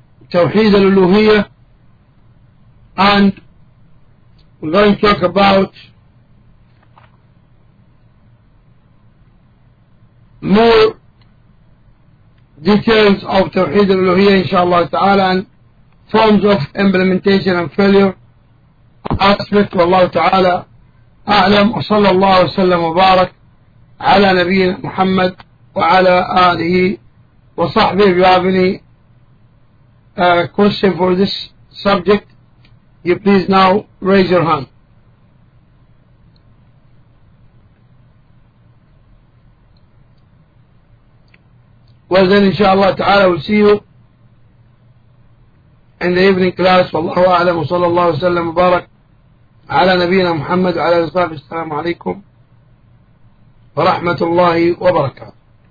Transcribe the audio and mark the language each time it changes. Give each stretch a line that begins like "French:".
English: Tawheed al-Uluhiyya, and we're going to talk about more details of Tawheed al-Uluhiyya inshallah ta'ala, and forms of implementation and failure.
Arabic: أسمك والله تعالى أعلم, وصلى الله وسلم وبارك على نبينا محمد وعلى آله وصحبه.
English: If you have any question for this subject, you please now raise your hand. Well then, inshallah ta'ala, we'll see you in the evening class.
Arabic: والله أعلم وصلى الله وسلم وبارك على نبينا محمد وعلى آله وصحبه. السلام عليكم ورحمة الله وبركاته.